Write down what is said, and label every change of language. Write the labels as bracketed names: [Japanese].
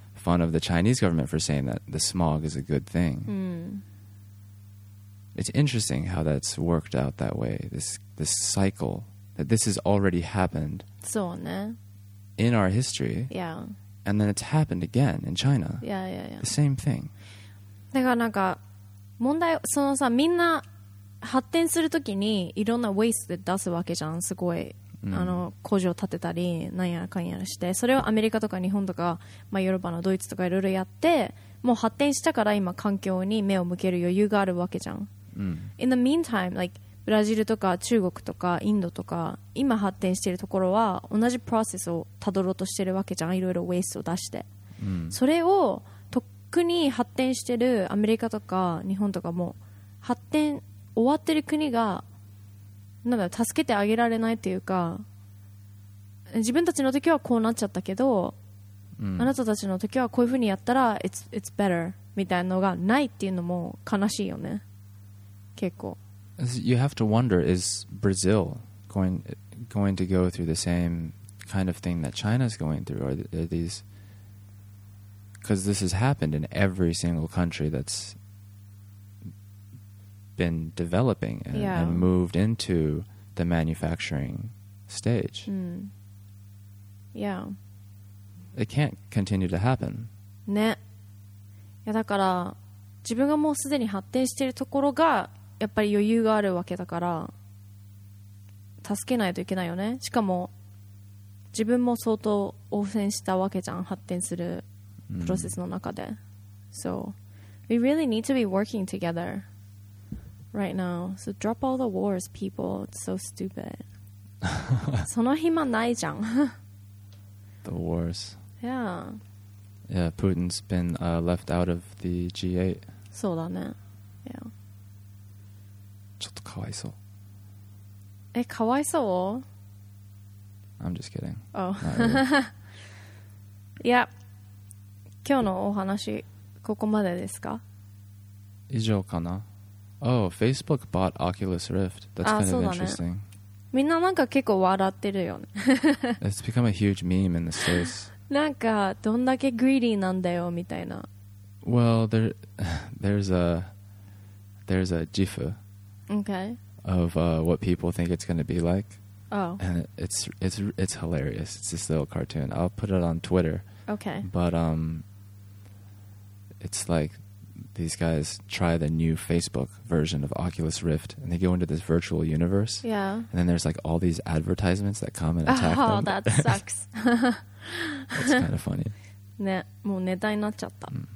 [English] fun of the Chinese government for saying that the smog is a good thing. Mm. It's interesting how that's worked out that way, this cycle, that this has already happened in our history. Yeah. And then it's happened again in China. Yeah, yeah, yeah. The same thing. [Japanese] だからなんか問題、そのさ、みんな発展するときにいろんなウェイスで出すわけじゃん、すごい。あの工場建てたりなんやらかんやらして、それをアメリカとか日本とか、まあ、ヨーロッパのドイツとかいろいろやって、もう発展したから今環境に目を向ける余裕があるわけじゃん、うん、 [English] In the meantime、like、 [Japanese] ブラジルとか中国とかインドとか今発展しているところは同じプロセスをたどろうとしてるわけじゃん、いろいろウェイストを出して、うん、それをとっくに発展してるアメリカとか日本とかも発展終わってる国がなんか助けてあげられないというか、自分たちの時はこうなっちゃったけど、うん、あなたたちの時はこういう風にやったら [English] it's better [Japanese] みたいなのがないっていうのも悲しいよね、結構。 [English] You have to wonder, is Brazil going to go through the same kind of thing that China is going through, or are these, because this has happened in every single country that'sbeen developing and,、 yeah. and moved into the manufacturing stage.、 Mm. Yeah. It can't continue to happen. [Japanese] ね。いやだから自分がもうすでに発展しているところがやっぱり余裕があるわけだから助けないといけないよね。しかも自分も相当応戦したわけじゃん、発展するプロセスの中で。 [English] So we really need to be working together. Right now. So drop all the wars, people. It's so stupid. [Japanese] その暇ないじゃん。 [English] The wars. Yeah. Yeah, Putin's been、left out of the G8. [Japanese] そうだね。 [English] Yeah. [Japanese] ちょっとかわいそう。え、かわいそう？ [English] I'm just kidding. Oh. Yeah. [Japanese] 今日のお話ここまでですか？以上かな。 [English] Oh, Facebook bought Oculus Rift. That's kind of interesting. [Japanese] みんななんか結構笑ってるよね。 [English] It's become a huge meme in the States. [Japanese] なんかどんだけ greedy なんだよみたいな。 [English] Well, there's a gif、 okay. of、what people think it's going to be like. Oh. And it's hilarious. It's this little cartoon. I'll put it on Twitter. Okay. But it's like... these guys try the new Facebook version of Oculus Rift and they go into this virtual universe. Yeah. And then there's like all these advertisements that come and attack them. Oh, that sucks. That's kind of funny. [Japanese] ね、もうネタになっちゃった。